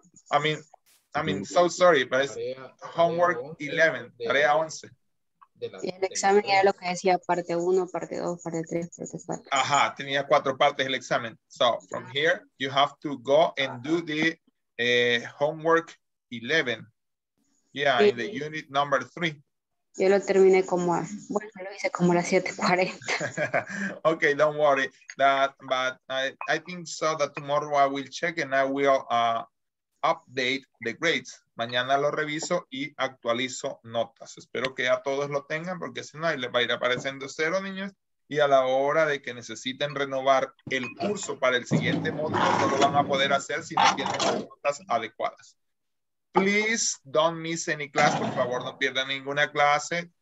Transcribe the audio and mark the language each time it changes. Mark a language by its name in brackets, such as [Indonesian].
[English] I mean, so sorry, but it's homework 11, [Spanish] tarea 11. Sí, el examen era lo que decía parte 1, parte 2, parte 3, parte 4. Ajá, tenía 4 partes el examen. [English] So, from here, you have to go and do the homework 11. Yeah, sí. In the unit number 3. [Spanish] Yo lo terminé como, bueno, lo hice como a las 7:40. [English] Okay, don't worry. But I think so that tomorrow I will check and I will update the grades. [Spanish] Mañana lo reviso y actualizo notas. Espero que ya todos lo tengan porque si no, ahí les va a ir apareciendo 0, niños. Y a la hora de que necesiten renovar el curso para el siguiente módulo, no lo van a poder hacer si no tienen las notas adecuadas. [English] Please don't miss any class. [Spanish] Por favor, no pierdan ninguna clase.